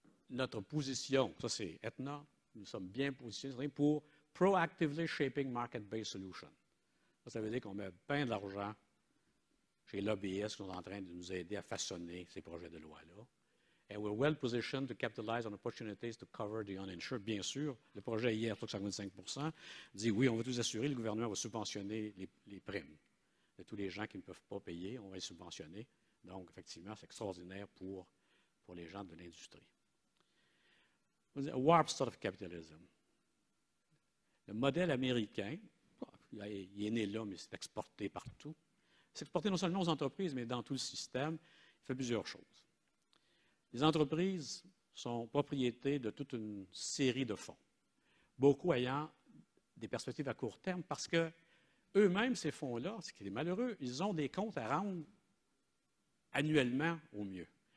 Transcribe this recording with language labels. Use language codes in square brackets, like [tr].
[fr] Notre position, ça c'est Aetna, nous sommes bien positionnés pour [en] proactively shaping market-based solutions. [fr] Ça veut dire qu'on met plein de l'argent chez l'OBS qui sont en train de nous aider à façonner ces projets de loi-là. [en] And we're well positioned to capitalize on opportunities to cover the uninsured. [fr] Bien sûr, le projet hier, 55 %, dit oui, on va tous assurer, le gouvernement va subventionner les primes de tous les gens qui ne peuvent pas payer, on va les subventionner. Donc, effectivement, c'est extraordinaire pour les gens de l'industrie. [en] A warped sort of capitalism. [fr] Le modèle américain, il est né là, mais c'est exporté partout. C'est exporté non seulement aux entreprises, mais dans tout le système. Il fait plusieurs choses. Les entreprises sont propriétés de toute une série de fonds, beaucoup ayant des perspectives à court terme, parce que eux-mêmes, ces fonds-là, ce qui est malheureux, ils ont des comptes à rendre annuellement au mieux.